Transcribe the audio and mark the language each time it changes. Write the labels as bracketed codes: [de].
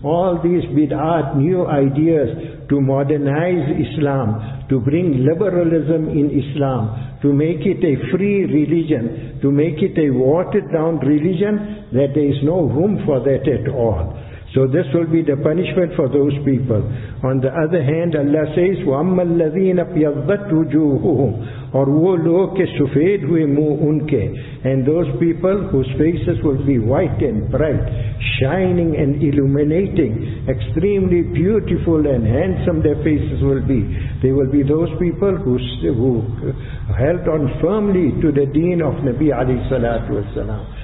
[en] All these bid'at, new ideas to modernize Islam, to bring liberalism in Islam, to make it a free religion, to make it a watered down religion, that there is no room for that at all. So this will be the punishment for those people. On the other hand, Allah says, [ar] وَأَمَّا الَّذِينَ اَبْيَضَّتْ وُجُوهُهُمْ. [ur] Or وہ لوگ کے سفید ہوئے منہ ان کے. [en] And those people whose faces will be white and bright, shining and illuminating, extremely beautiful and handsome their faces will be. They will be those people who held on firmly to the deen of Nabi alayhi salatu wasalam.